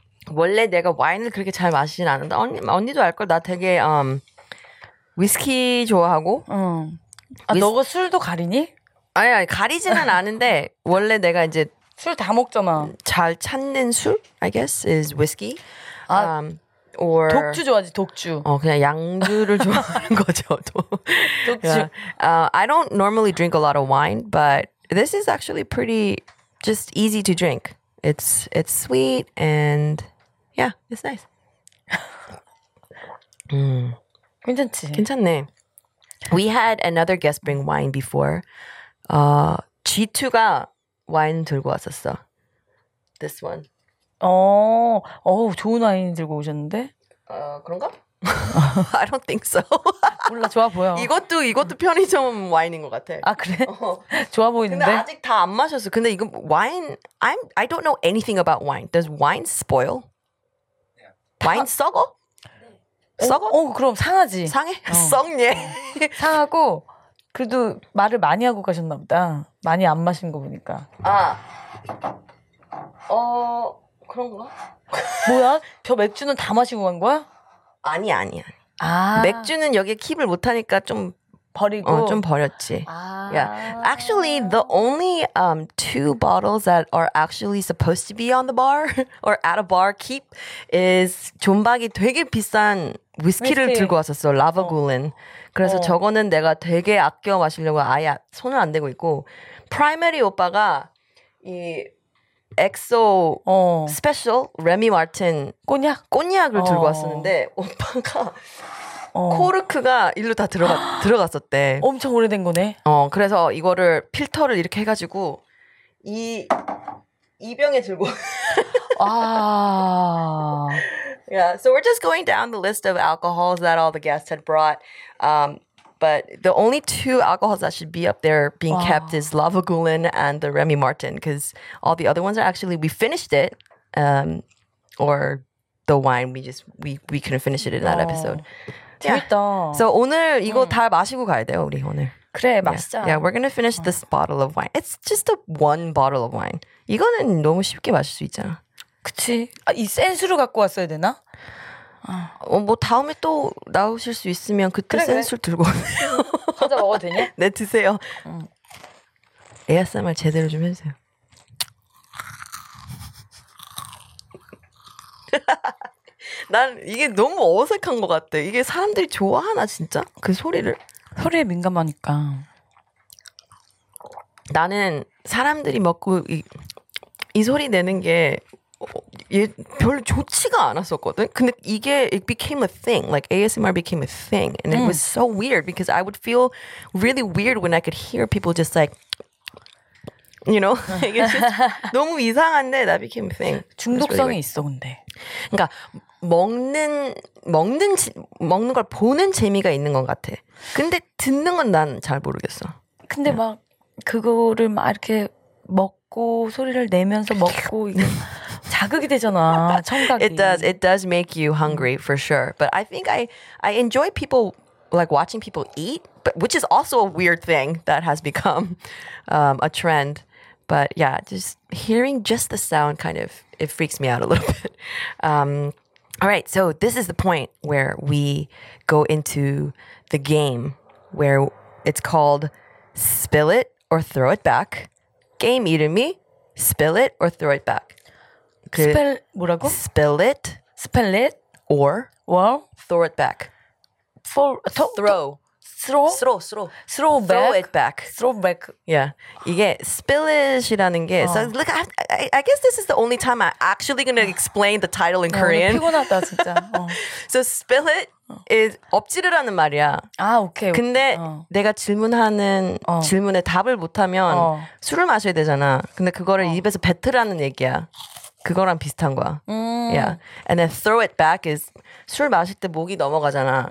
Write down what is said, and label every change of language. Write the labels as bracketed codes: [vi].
[ko] 원래 내가 와인을 그렇게 잘 마시진 않는데 언니도 알걸. 나 되게 위스키 좋아하고. 아, 너가 술도 가리니? 아니, 가리지는 않은데 원래 내가 이제 술 다 먹잖아. 잘 찾는 술, [en] I guess, is whiskey. [ko] 아, or 독주 좋아하지, 독주. 어, 그냥 양주를 좋아하는 거죠, 독주. Yeah. [en] I don't normally drink a lot of wine, but this is actually pretty just easy to drink. It's sweet and, yeah, it's nice. [ko] 괜찮지? 괜찮네. [en] We had another guest bring wine before. [ko] G2가 와인 들고 왔었어. [en] This one. [ko] 좋은 와인 들고 오셨는데? 그런가? [en] I don't think so. [ko] 몰라, 좋아 보여. 이것도 편의점 와인인 것 같아. 아, 그래? 좋아 보이는데? 근데 아직 다 안 마셨어. 근데 이거 와인, [en] I don't know anything about wine. Does wine spoil? Yeah. [ko] 와인 썩어? 썩어? 그럼 상하지. 상해? 썩네. 상하고. 그래도 말을 많이 하고 가셨나 보다. 많이 안 마신 거 보니까. 아, 그런가? 뭐야? 저 맥주는 다 마시고 간 거야? 아니야, 아니야. 아. 맥주는 여기에 킵을 못 하니까 좀 버리고? 좀 버렸지. 아. Yeah. [en] Actually, the only two bottles that are actually supposed to be on the bar or at a bar keep is [ko] 존박이 되게 비싼 위스키를 들고 왔었어. 라버굴린. 그래서 저거는 내가 되게 아껴 마시려고 아예 손을 안 대고 있고 프라이머리 오빠가 이 엑소 스페셜 레미 마틴 꼬냑을 들고 왔었는데 오빠가 코르크가 일로 다 들어갔었대. 엄청 오래된 거네. 그래서 이거를 필터를 이렇게 해가지고 이 병에 들고 아... [en] Yeah, so we're just going down the list of alcohols that all the guests had brought. But the only two alcohols that should be up there being kept is Lavagulin and the Remy Martin, because all the other ones are actually, we finished it, or the wine, we couldn't finish it in that episode. [ko] 재밌다. So 오늘 이거 다 마시고 가야 돼요, 우리 오늘. 그래, 마시자. [en] Yeah, we're going to finish this bottle of wine. It's just a one bottle of wine. [ko] 이거는 너무 쉽게 마실 수 있잖아. 그치. 아, 이 센 술을 갖고 왔어야 되나? 뭐 다음에 또 나오실 수 있으면 그때 그래. 센 술 들고 오세요. 혼자 먹어도 되냐? 네, 드세요. ASMR 제대로 좀 해주세요. 난 이게 너무 어색한 것 같아. 이게 사람들이 좋아하나 진짜? 그 소리를? 소리에 민감하니까. 나는 사람들이 먹고 이 소리 내는 게 얘 별로 좋지가 않았었거든. 근데 이게 [en] it became a thing. Like ASMR became a thing, and it was so weird because I would feel really weird when I could hear people just like, you know, [ko] 이게 너무 이상한데 [en] that became a thing. [ko] 중독성이 really 있어 근데. 그러니까 먹는 걸 보는 재미가 있는 것 같아. 근데 듣는 건 난 잘 모르겠어. 근데 막 그거를 막 이렇게 먹고 소리를 내면서 먹고 이게 자극이 되잖아, 청각이. [en] It does make you hungry for sure. But I think I enjoy people like watching people eat, but which is also a weird thing that has become a trend. But yeah, just hearing just the sound kind of it freaks me out a little bit. All right, so this is the point where we go into the game where it's called spill it or throw it back. Game, [ko] 이름이 [en] spill it or throw it back. [ko] 그 spell, 뭐라고? [en] Spill it. Spill it. Or well, throw it back. For, throw. Throw back. Throw it back. Throw back. [ko] Yeah. 이게 spillage이라는 게. [en] So look, I guess this is the only time I'm actually going to explain the title in Korean. [ko] 오늘 피곤하다, 진짜. [en] So spill it is [ko] 엎지르라는 말이야. 아, 오케이. 근데 내가 질문하는 질문에 답을 못하면 술을 마셔야 되잖아. 근데 그거를 입에서 뱉으라는 얘기야. 그거랑 비슷한 거야. Yeah. [en] And then throw it back is [ko] 술 마실 때 목이 넘어가잖아.